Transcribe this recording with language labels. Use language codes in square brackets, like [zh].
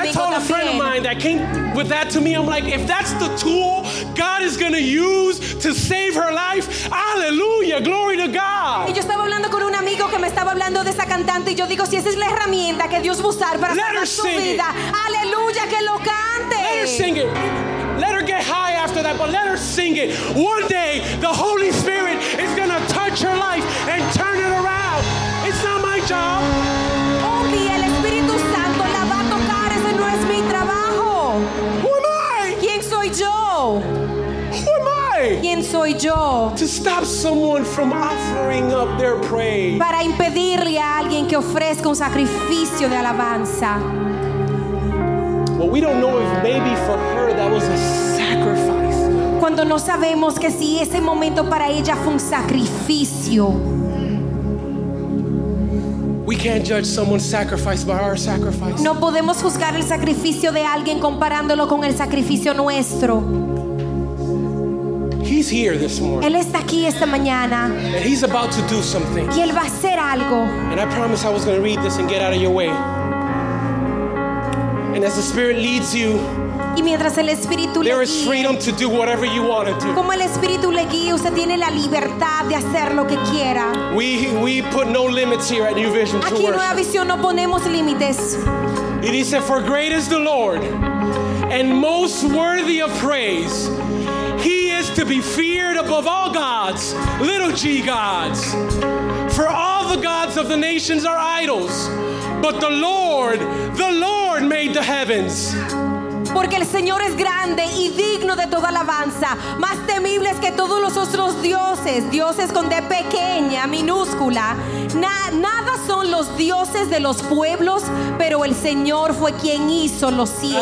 [en] And I told a friend of mine that came with that to me, I'm like, if that's the tool God is going to use to save her life, hallelujah, glory to God. [es] Y yo estaba hablando con un amigo que me estaba hablando de esa cantante y yo digo, si esa es la herramienta que Dios va a usar para salvar su vida, aleluya, que lo cante. [en] Let her sing it. Let her get high after that, but let her sing it. One day, the Holy Spirit is going to touch her life and turn it around. It's not my job. [es] Okay, el Espíritu Santo la va a tocar. Ese no es mi trabajo. [en] Who am I? [es] ¿Quién soy yo? [en] Who am I? [es] ¿Quién soy yo? [en] To stop someone from offering up their praise. [es] Para impedirle a alguien que ofrezca un sacrificio de alabanza. [en] Well, we don't know if maybe for her that was a sacrifice. [es] Cuando no sabemos que si ese momento para ella fue un sacrificio. [en] We can't judge someone's sacrifice by our sacrifice. [es] No podemos juzgar el sacrificio de alguien comparándolo con el sacrificio nuestro. [en] He's here this morning. [es] Él está aquí esta mañana. [en] And he's about to do something. [es] Y él va a hacer algo. [en] And I promise I was going to read this and get out of your way. And as the Spirit leads you, [es] y mientras el Espíritu [en] there [es] le [en] is freedom [es] guíe, [en] to do whatever you want to do. [es] Como el Espíritu le guíe, usted tiene la libertad de hacer lo que quiera. [en] We put no limits here at New Vision [es] aquí Nueva Visión no ponemos límites. [en] It is said, for great is the Lord and most worthy of praise. He is to be feared above all gods, little g gods. For all the gods of the nations are idols, but the Lord made the heavens. [es] Porque el Señor es grande y digno de toda alabanza, más temible es que todos los otros dioses, dioses con D pequeña, minúscula. Nada son los dioses de los pueblos, pero el Señor fue quien hizo los cielos.